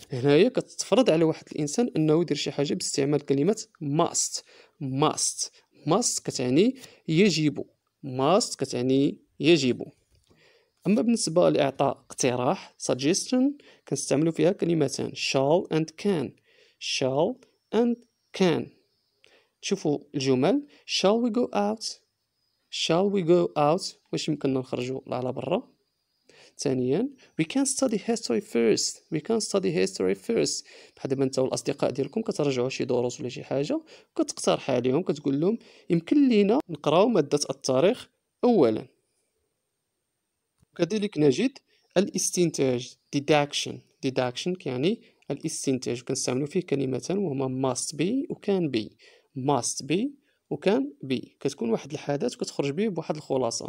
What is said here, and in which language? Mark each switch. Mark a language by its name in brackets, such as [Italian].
[Arabic] هنايا كتفرض على واحد الإنسان أنه يدير شي حاجة باستعمال كلمة must، must، must كتعني يجب، must كتعني يجب. أما بالنسبة لإعطاء اقتراح suggestion كنستعمل فيها كلمتان [English] shall and can، shall and can. [Arabic] شوفوا الجمل [English] shall we go out، shall we go out، [Arabic] واش يمكننا نخرجوا على برا. ثانيا [English] we can study history first، [Arabic] we can study history first، بحال دابا نتا والاصدقاء ديالكم كترجعوا شي دروس ولا شي حاجه كتقترح عليهم كتقول لهم يمكن لينا نقراو ماده التاريخ اولا. كذلك نجد الاستنتاج deduction، deduction يعني الاستنتاج، كنستعملوا فيه كلمتان وهما must be وcan be، must be وcan be، كتكون واحد الحدث وكتخرج به بواحد الخلاصة.